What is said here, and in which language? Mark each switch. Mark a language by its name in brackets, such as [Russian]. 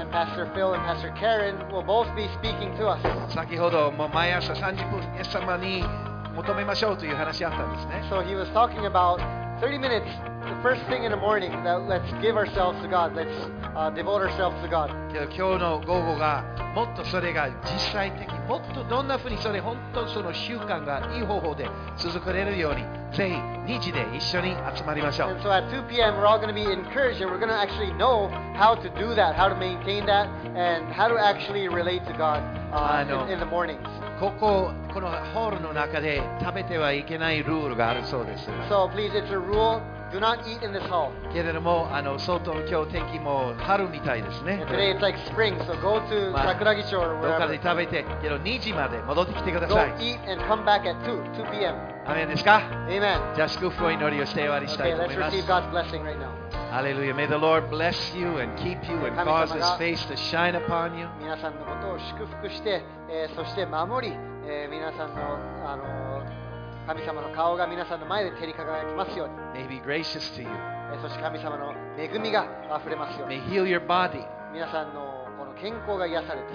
[English] And Pastor Phil and Pastor Karen will both be speaking to us. [Japanese] 先ほどもう毎朝30分イエス様に求めましょうという話があったんですね。 [English] So he was talking about 30 minutes, the first thing in the morning, that let's give ourselves to God, let's devote ourselves to God. [Japanese] 今日の午後がもっとそれが実際的、もっとどんなふうにそれ本当その習慣がいい方法で続くれるように、ぜひ2時で一緒に集まりましょう。 [English] And so at 2 p.m. we're all going to be encouraged and we're going to actually know how to do that, how to maintain that, and how to actually relate to God in the mornings. [Japanese] このホールの中で食べてはいけないルールがあるそうです。 [English] So please, it's a rule. Do not eat in this hall. [Japanese] けれども、外の今日天気も春みたいですね。 [English] And、today it's like spring, so go to 桜木町 or wherever. [Japanese] どこかで食べて、けど2時まで戻ってきてください。 [English] Go eat and come back at 2 p.m. [Japanese] アメンですか? [English] Amen. じゃあ祝福を祈りをして終わりしたいと思います。 Okay, let's receive God's blessing right now. Hallelujah. May the Lord bless you and keep you and cause His face to shine upon you. [Japanese] 皆さんのことを祝福して、そして守り、皆さんの、神様の顔が皆さんの前で照り輝きますように。 [English] May be gracious to you. [Japanese] そして神様の恵みが溢れますように。 [English] May heal your body. [Japanese] 皆さんのこの健康が癒されて。